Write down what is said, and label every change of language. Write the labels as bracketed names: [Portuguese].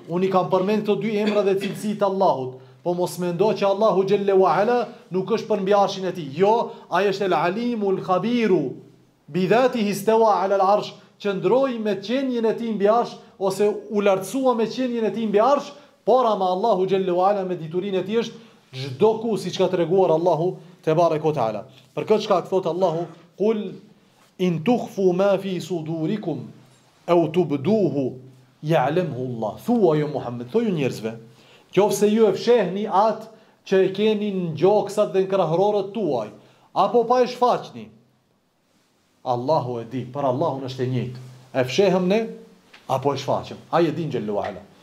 [Albanian] Unë i kam përmendë këto dy emra dhe cilësi të Allahut, po mos mendo që Allahu Xhelle ve Ala nuk është për mbi arshin e tij. Jo, ai është El Alimu El Khabiru [Arabic] bi dhatihi istawa ala al arsh, [Albanian] qëndroi me qenjen e tij mbi arsh ose u lartësua me qenjen e tij mbi arsh, por ama Allahu Xhelle ve Ala me diturinë e tij është çdo ku, siç ka treguar Allahu [Arabic] تبارك وتعالى. [Albanian] Për këtë shkak thot Allahu [Arabic] قل إن تخفوا ما في صدوركم أو تبدوه يعلمه الله. [Albanian] Thuaj Muhammed, thuaj njerëzve, qofse ju e fshehni atë që e keni në gjoksat dhe në krahërorët tuaj, apo pa e shfaqni, Allahu e di, për Allahun është e njëjtë. E fshehëm ne, apo e shfaqëm. Aje di në gjellu ala.